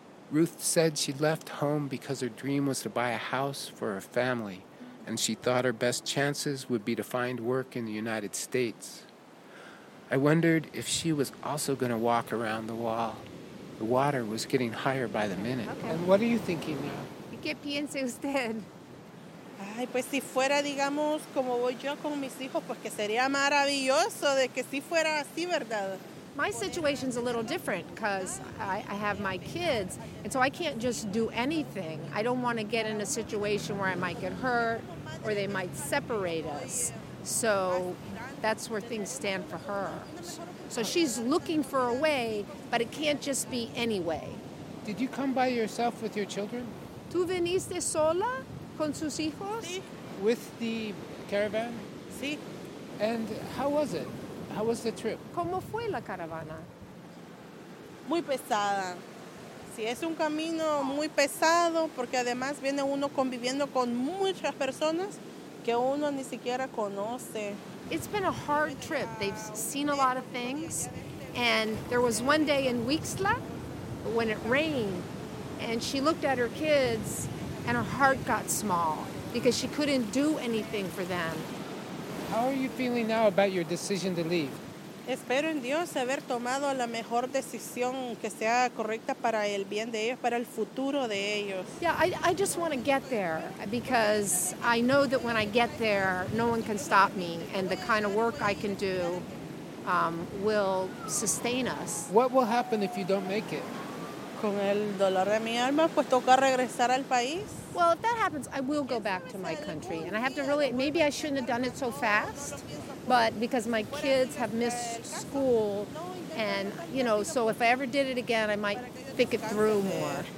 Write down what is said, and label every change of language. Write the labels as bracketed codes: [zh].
[en] Ruth said she'd left home because her dream was to buy a house for her family, and she thought her best chances would be to find work in the United States. I wondered if she was also going to walk around the wall. The water was getting higher by the minute. Okay. And what are you thinking now? [es] ¿Qué piensa usted? Ay, pues si fuera, digamos, como voy yo con mis hijos, pues que sería maravilloso de que si fuera así, ¿verdad? [en] My situation's a little different because I have my kids, and so I can't just do anything. I don't want to get in a situation where I might get hurt or they might separate us. So that's where things stand for her. So she's looking for a way, but it can't just be any way. Did you come by yourself with your children? [es] ¿Tú viniste sola con sus hijos? Sí. [en] With the caravan? [es] Sí. [en] And how was it? How was the trip? [es] ¿Cómo fue la caravana? Muy pesada. Sí, es un camino muy pesado porque además viene uno conviviendo con muchas personas que uno ni siquiera conoce. [en] It's been a hard trip. They've seen a lot of things. And there was one day in Huixla when it rained and she looked at her kids and her heart got small because she couldn't do anything for them. How are you feeling now about your decision to leave? [es] Espero en Dios haber tomado la mejor decisión que sea correcta para el bien de ellos, para el futuro de ellos. [en] Yeah, I just want to get there because I know that when I get there, no one can stop me and the kind of work I can do will sustain us. What will happen if you don't make it? [es] Con el dolor de mi alma, pues toca regresar al país. [en] Well, if that happens, I will go back to my country. And I have to really, maybe I shouldn't have done it so fast, but because my kids have missed school, and, you know, so if I ever did it again, I might think it through more.